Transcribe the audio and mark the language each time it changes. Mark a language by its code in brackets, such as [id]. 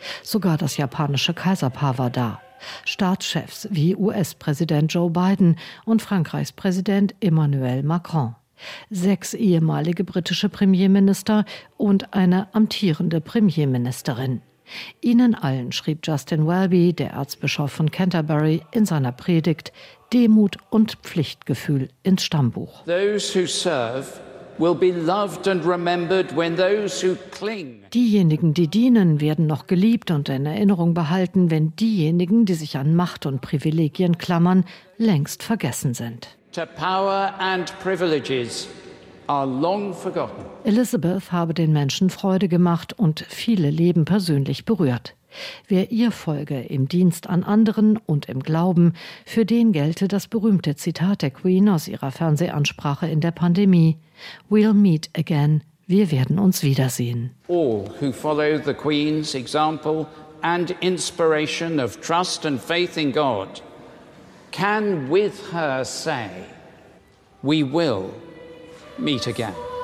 [de] Sogar das japanische Kaiserpaar war da. Staatschefs wie US-Präsident Joe Biden und Frankreichs Präsident Emmanuel Macron. Sechs ehemalige britische Premierminister und eine amtierende Premierministerin. Ihnen allen schrieb Justin Welby, der Erzbischof von Canterbury, in seiner Predigt Demut und Pflichtgefühl ins Stammbuch. [en] Those who serve will be loved and remembered when those who cling. [de] Diejenigen, die dienen, werden noch geliebt und in Erinnerung behalten, wenn diejenigen, die sich an Macht und Privilegien klammern, längst vergessen sind. [en] To power and privileges are long forgotten. [de] Elizabeth habe den Menschen Freude gemacht und viele Leben persönlich berührt. Wer ihr folge im Dienst an anderen und im Glauben, für den gelte das berühmte Zitat der Queen aus ihrer Fernsehansprache in der Pandemie. [en] We'll meet again. [de] Wir werden uns wiedersehen. [en] All who follow the Queen's example and inspiration of trust and faith in God can with her say, we will meet again.